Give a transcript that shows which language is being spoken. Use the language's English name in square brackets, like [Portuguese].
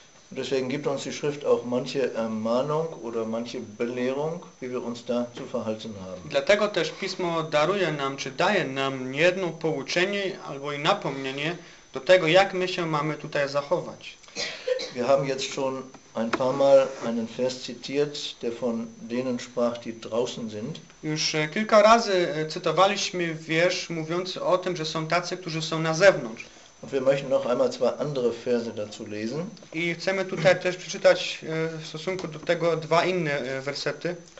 [German] Und deswegen gibt uns die Schrift auch manche Ermahnung oder manche Belehrung, wie wir uns da zu verhalten haben. [Polish] Dlatego też Pismo daruje nam, czy daje nam niejedno pouczenie albo i napomnienie do tego, jak my się mamy tutaj zachować. [German] Wir haben jetzt schon ein paar Mal einen Vers zitiert, der von denen sprach, die draußen sind. [Polish] Już kilka razy cytowaliśmy wiersz mówiący o tym, że są tacy, którzy są na zewnątrz. [German] Und wir möchten noch einmal zwei andere Verse dazu lesen. [Polish] I chcemy tutaj też przeczytać w stosunku do tego dwa inne wersety.